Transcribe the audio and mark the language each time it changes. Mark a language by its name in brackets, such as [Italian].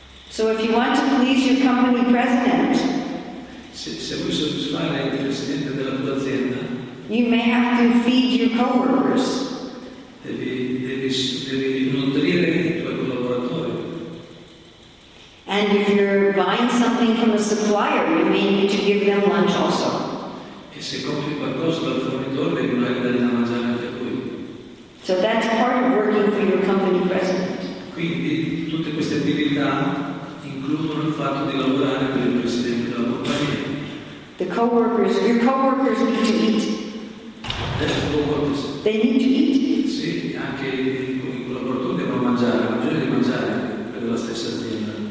[English] So if you want to please your company president, [Italian] se vuoi soddisfare il presidente della tua azienda, [English] you may have to feed your coworkers. [Italian] Devi nutrire i tuoi collaboratori. [English] And if you're buying something from a supplier, you may need to give them lunch also. [Italian] E se compri qualcosa dal fornitore, dovrai dare da mangiare anche a lui. [English] So that's part of working for your company president. [Italian] Quindi tutte queste attività includono il fatto di lavorare per il presidente della compagnia. [English] The co-workers, your co-workers need to eat. They need to eat. [Italian] Sì, anche i collaboratori devono mangiare, hanno bisogno di mangiare per la stessa azienda.